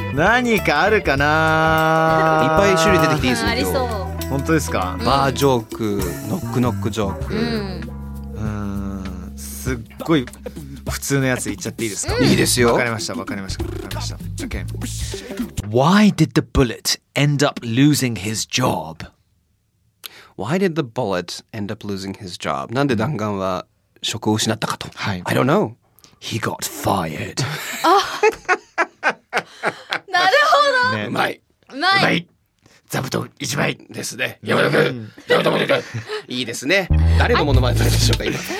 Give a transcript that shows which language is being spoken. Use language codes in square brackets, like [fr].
[ja] 何かあるかな。いっぱい種類出てきていいですよ。ありそう。本当ですか、うん、バージョーク、ノックノックジョーク、うん、すっごい普通のやつ言っちゃっていいですか、うん、いいですよ。わかりましたわかりましたわかりました、 OK。 [en] Why did the bullet end up losing his job? Why did the bullet end up losing his job? [ja] なんで弾丸は職を失ったかと、はい、 [en] I don't know. He got fired. [ja] あ、なるほど、ね、うまいうまい、うまい、座布団1枚ですね。山田くん、山田くん、いいですね。誰のモノマネでしょうか今。